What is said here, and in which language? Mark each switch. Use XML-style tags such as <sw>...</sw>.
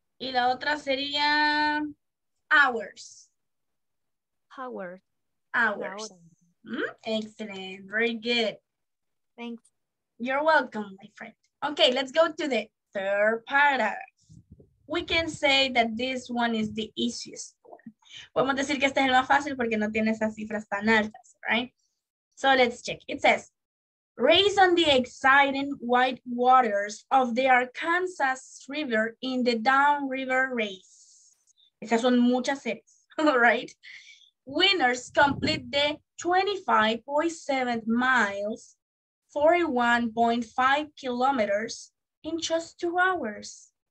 <es>Y la otra sería hours.</es> <en>Hours. Hours. Excellent. Very good. Thanks. You're welcome, my friend. Okay, let's go to the third paragraph. We can say that this one is the easiest one.</en> <es>Podemos decir que este es el más fácil porque no tiene esas cifras tan altas, right?</es> <en>So let's check. It says, race on the exciting white waters of the Arkansas River in the downriver race.</en> <es>Esas son muchas series,</es> <en>right? Winners complete the 25.7 miles, 41.5 kilometers in just 2 hours.</en>